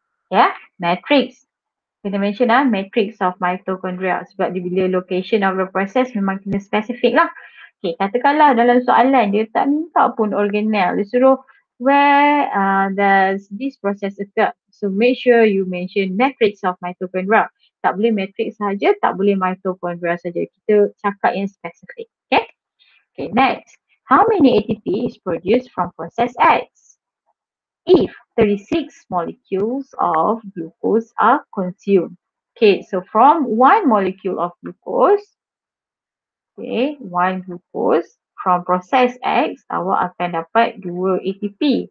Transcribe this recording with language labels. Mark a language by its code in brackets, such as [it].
[ms] Yeah, matrix. Kena mention lah, matrix of mitochondria. Sebab dia bila [en] location of the process [ms] memang kena specific lah. Okay, katakanlah dalam soalan dia tak minta pun organelle. Dia suruh [en] where does this process occur. So make sure you mention matrix of mitochondria. [ms] Tak boleh matrix saja, tak boleh mitochondria saja. Kita cakap yang spesifik. Okay? Okay, next. [en] How many ATP is produced from process X? If 36 molecules of glucose are consumed. Okay, so from one molecule of glucose, okay, one glucose from process X, [ms] awak akan dapat [en] 2 ATP.